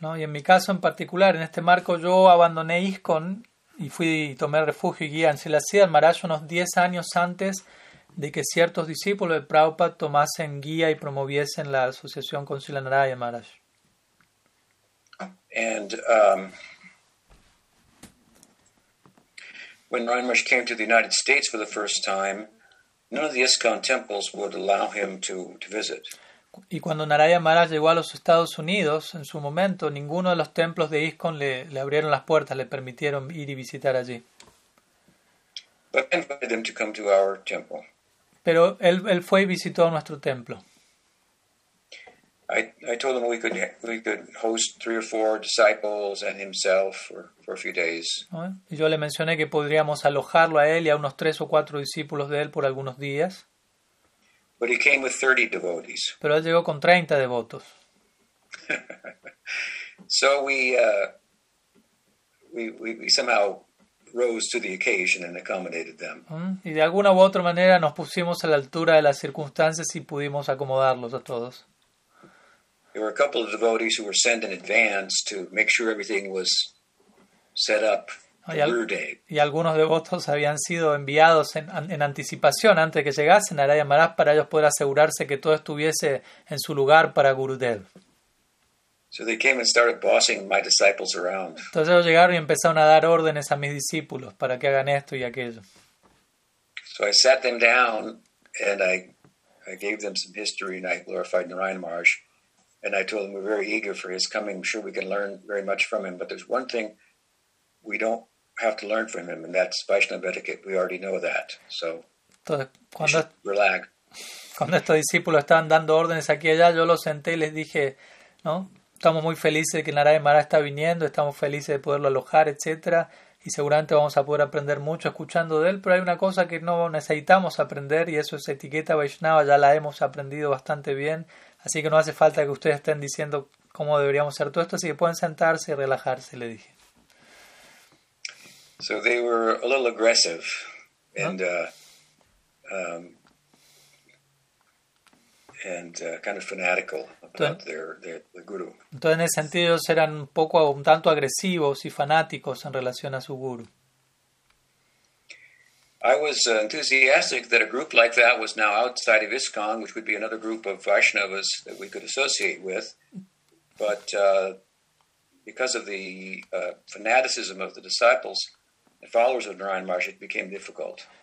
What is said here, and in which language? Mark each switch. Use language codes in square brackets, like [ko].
[es] No, y en mi caso en particular, en este marco, yo abandoné ISKCON y fui y tomé refugio y guía en Srila Sridhar Maharaj unos 10 años antes de que ciertos discípulos de Prabhupada tomasen guía y promoviesen la asociación con Srila Narayan Maharaj. [en] And when Narayan Maharaj came to the United States for the first time, none of the ISKCON temples would allow him to visit. [es] Y cuando Narayan Maharaj llegó a los Estados Unidos, en su momento, ninguno de los templos de ISKCON le abrieron las puertas, le permitieron ir y visitar allí. [en] But he invited them to come to our temple. [es] Pero él fue y visitó a nuestro templo. [en] I told him we could host 3 or 4 disciples and himself for a few days. [es] Y yo le mencioné que podríamos alojarlo a él y a unos 3 o 4 discípulos de él por algunos días. [en] But he came with 30 devotees. [es] Pero él llegó con 30 devotos. [en] So we somehow rose to the occasion and accommodated them. [es] Y de alguna u otra manera nos pusimos a la altura de las circunstancias y pudimos acomodarlos a todos. [en] There were a couple of devotees who were sent in advance to make sure everything was set up for the day. [es] Y algunos devotos habían sido enviados en anticipación antes de que llegasen a Narayan Maharaj para ellos poder asegurarse que todo estuviese en su lugar para Gurudev. [en] So they came and started bossing my disciples around. [es] Entonces ellos llegaron y empezaron a dar órdenes a mis discípulos para que hagan esto y aquello. [en] So I sat them down and I gave them some history and I glorified Narayan Maharaj. And I told him we're very eager for his coming. I'm sure we can learn very much from him. But there's one thing we don't have to learn from him, and that's Vaishnava etiquette. We already know that. So, relax. [es] Cuando estos discípulos estaban dando órdenes aquí y allá, yo los senté y les dije, ¿no? Estamos muy felices de que Narayan Maharaj está viniendo, estamos felices de poderlo alojar, etc. Y seguramente vamos a poder aprender mucho escuchando de él, pero hay una cosa que no necesitamos aprender, y eso es etiqueta Vaishnava. Ya la hemos aprendido bastante bien. Así que no hace falta que ustedes estén diciendo cómo deberíamos hacer todo esto, así que pueden sentarse y relajarse, le dije. [en] So they were a little aggressive, [es] ¿no? [en] Kind of fanatical about their guru. [es] Entonces, en ese sentido, ellos eran un tanto agresivos y fanáticos en relación a su guru. [en] I was enthusiastic that a group like that was now outside of ISKCON, which would be another group of Vaishnavas that we could associate with. But because of the fanaticism of the disciples and followers of Narayan Maharaj, it became difficult.